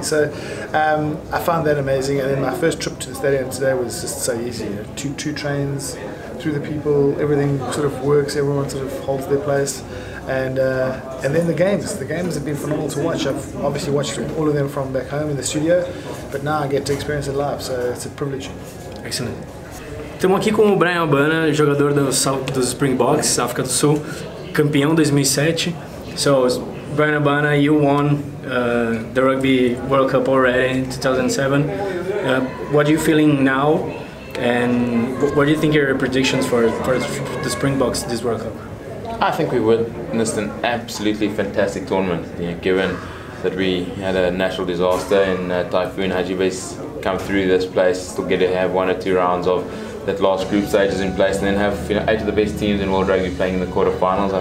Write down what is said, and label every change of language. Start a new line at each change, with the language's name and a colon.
English: So I found that amazing, and then my first trip to the stadium today was just so easy. You know, two trains, through the people, everything sort of works, everyone sort of holds their place. And then the games have been phenomenal to watch. I've obviously watched all of them from back home in the studio, but now I get to experience it live, so it's a privilege. Excellent.
Portuguese: Estamos aqui com o Bryan Habana, jogador do Springboks, África do Sul, campeão 2007.
English: So, Bryan Habana, you won the Rugby World Cup already in 2007. What are you feeling now? And what do you think are your predictions for the Springboks this World Cup? I think we witnessed an absolutely fantastic tournament, given that we had a natural disaster and Typhoon Hajibes come through this place to get to have one or two rounds of that last group stage is in place, and then have, you know, 8 of the best teams in World Rugby playing in the quarterfinals.